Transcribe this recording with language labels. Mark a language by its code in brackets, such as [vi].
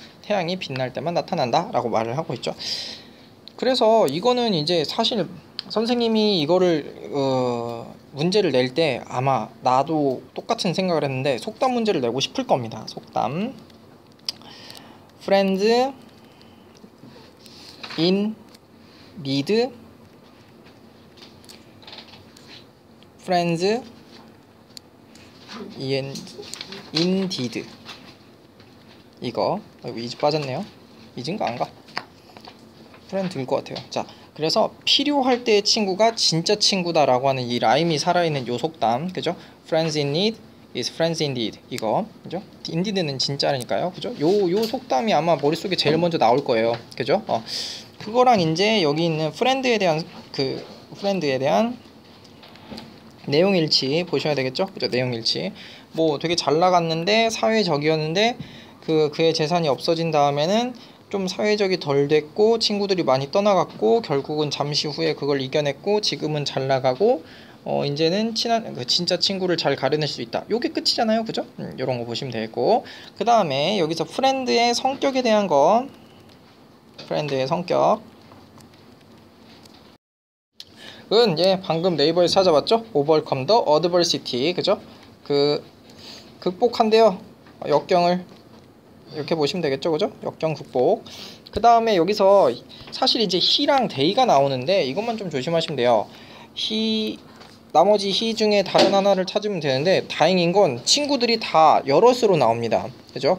[ko] 태양이 빛날 때만 나타난다 라고 말을 하고 있죠. 그래서 이거는 이제 사실 선생님이 이거를 문제를 낼 때 아마 나도 똑같은 생각을 했는데 속담 문제를 내고 싶을 겁니다. 속담 Friends [en] in, need, friends, and indeed. [ko] 이거 is 빠졌네요. is인가 안가? friend인 것 같아요. 자, 그래서 필요할 때의 친구가 진짜 친구다라고 하는 이 라임이 살아있는 요속담, 그죠? [en] friends in need is friends indeed. [ko] 이거, 그죠? indeed는 진짜라니까요, 그죠? 요 속담이 아마 머릿속에 제일 먼저 나올 거예요, 그죠? 어, 그거랑 이제 여기 있는 friend에 대한 그 friend에 대한 내용 일치 보셔야 되겠죠, 그죠? 내용 일치. 뭐 되게 잘 나갔는데 사회적이었는데 그의 재산이 없어진 다음에는 좀 사회적이 덜 됐고 친구들이 많이 떠나갔고 결국은 잠시 후에 그걸 이겨냈고 지금은 잘 나가고 어 이제는 친한 그 진짜 친구를 잘 가르낼 수 있다. 요게 끝이잖아요, 그죠? 이런 거 보시면 되겠고, 그 다음에 여기서 프렌드의 성격에 대한 거, 프렌드의 성격. 예, 방금 네이버에서 찾아봤죠? [en] Overcome the adversity, 그죠? [ko] 그 극복한대요, 역경을. 이렇게 보시면 되겠죠, 그죠? 역경 극복. 그 다음에 여기서 사실 이제 he랑 they가 나오는데 이것만 좀 조심하시면 돼요. he 히 중에 다른 하나를 찾으면 되는데 다행인 건 친구들이 다 여럿으로 나옵니다, 그죠?